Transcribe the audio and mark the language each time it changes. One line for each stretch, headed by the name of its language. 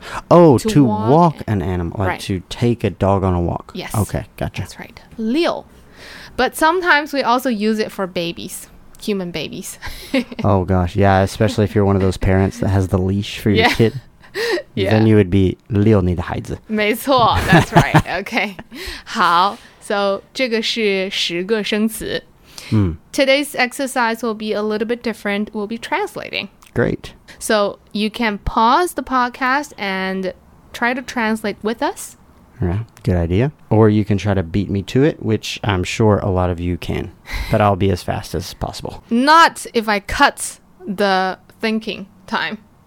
English: Oh, to walk an animal, like right. To take a dog on a walk. Yes. Okay, gotcha. That's right. Liu. But sometimes we also use it for babies, human babies. Oh, gosh. Yeah, especially if you're one of those parents that has the leash for your kid. Yeah. Then you would be
Chinese: 遛你的孩子. 没错,
English: that's right. Okay.
Chinese: 好,
English: so
Chinese: 这个是十个生词.
English: Mm. Today's exercise will be a little bit different. We'll be translating. Great. So you can pause the podcast and try to translate with us. Yeah, good idea. Or you can try to beat me to it, which I'm sure a lot of you can. But I'll be as fast as possible. Not if I cut the thinking time.